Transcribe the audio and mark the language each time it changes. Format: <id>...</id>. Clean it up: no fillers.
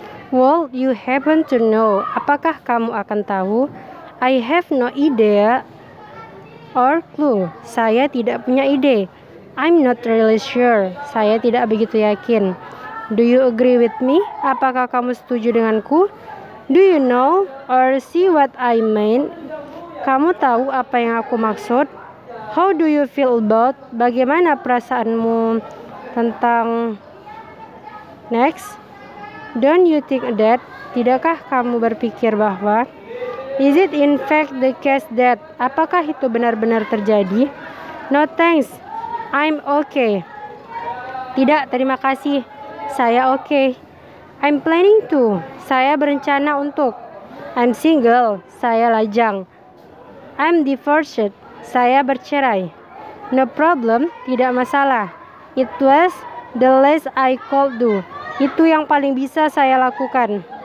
<en>Well, you happen to know.</en> <id>Apakah kamu akan tahu?</id> <en>I have no idea or clue.</en> <id>Saya tidak punya ide.</id> <en>I'm not really sure.</en> <id>Saya tidak begitu yakin.</id> <en>Do you agree with me?</en> <id>Apakah kamu setuju denganku?</id> <en>Do you know or see what I mean?</en> <id>Kamu tahu apa yang aku maksud?</id> <en>How do you feel about?</en> <id>Bagaimana perasaanmu tentang?</id> <en>Next. Don't you think that?</en> <id>Tidakkah kamu berpikir bahwa?</id> <en>Is it in fact the case that?</en> <id>Apakah itu benar-benar terjadi?</id> <en>No thanks. I'm okay.</en> <id>Tidak, terima kasih. Saya okay.</id> <en>I'm planning to.</en> <id>Saya berencana untuk.</id> <en>I'm single.</en> <id>Saya lajang.</id> <en>I'm divorced.</en> <id>Saya bercerai.</id> <en>No problem.</en> <id>Tidak masalah.</id> <en>It was the least I could do.</en> <id>Itu yang paling bisa saya lakukan.</id>